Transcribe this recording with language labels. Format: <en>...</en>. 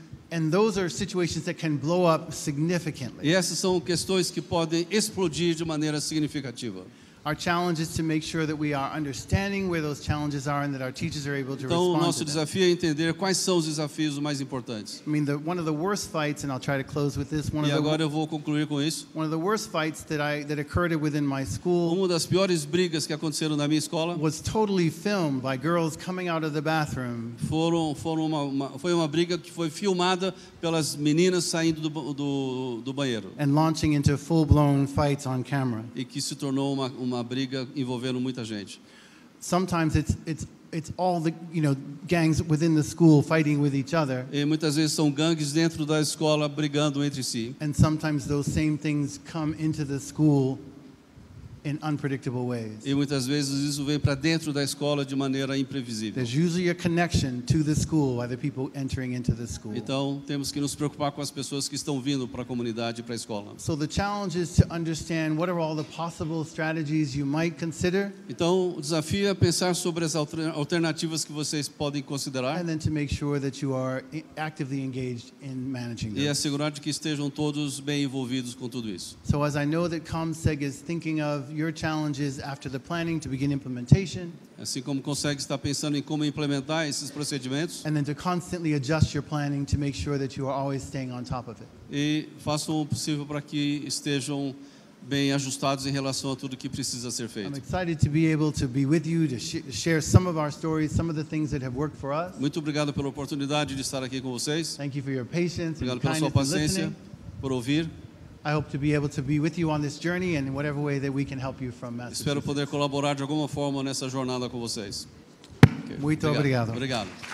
<en>And those are situations that can blow up significantly.</en> <pt>E essas são questões que podem explodir de maneira significativa.</pt> <en>Our challenge is to make sure that we are understanding where those challenges are and that our teachers are able to respond.</en> <pt>Então, o nosso desafio é entender quais são os desafios mais importantes.</pt> <en>I mean, one of the worst fights, and I'll try to close with this. One of the.</en> <pt>E agora eu vou concluir com isso.</pt> <en>One of the worst fights that occurred within my school.</en> <pt>Uma das piores brigas que aconteceram na minha escola.</pt> <en>Was totally filmed by girls coming out of the bathroom.</en> <pt>Foi uma briga que foi filmada pelas meninas saindo do banheiro.</pt> <en>And launching into full-blown fights on camera.</en> <pt>E que se tornou uma briga envolvendo muita gente.</pt> <en>Sometimes it's all the, you know, gangs within the school fighting with each other.</en> <pt>E muitas vezes são gangues dentro da escola brigando entre si.</pt> <en>And sometimes those same things come into the school in unpredictable ways.</en> <pt>E muitas vezes isso vem para dentro da escola de maneira imprevisível.</pt> <en>There's usually a connection to the school by the people entering into the school.</en> <pt>Então temos que nos preocupar com as pessoas que estão vindo para a comunidade, para a escola.</pt> <en>So the challenge is to understand what are all the possible strategies you might consider.</en> <pt>Então o desafio é pensar sobre as alternativas que vocês podem considerar.</pt> <en>And then to make sure that you are actively engaged in managing them.</en> <pt>E assegurar que estejam todos bem envolvidos com tudo isso.</pt> <en>So as I know that COMSEG is thinking of your challenges after the planning to begin implementation.</en> <pt>Assim como consegue estar pensando em como implementar esses procedimentos.</pt> <en>And then to constantly adjust your planning to make sure that you are always staying on top of it.</en> <pt>E façam o possível para que estejam bem ajustados em relação a tudo que precisa ser feito.</pt> <en>I'm excited to be able to be with you to share some of our stories, some of the things that have worked for us.</en> <pt>Muito obrigado pela oportunidade de estar aqui com vocês.</pt> <en>Thank you for your patience.</en> <pt>Obrigado</pt> <en>and</en> <pt>pela sua paciência, por ouvir.</pt> <en>I hope to be able to be with you on this journey and in whatever way that we can help you from Massachusetts.</en> <pt>Espero poder colaborar de alguma forma nessa jornada com vocês. Okay. Muito obrigado. Obrigado.</pt>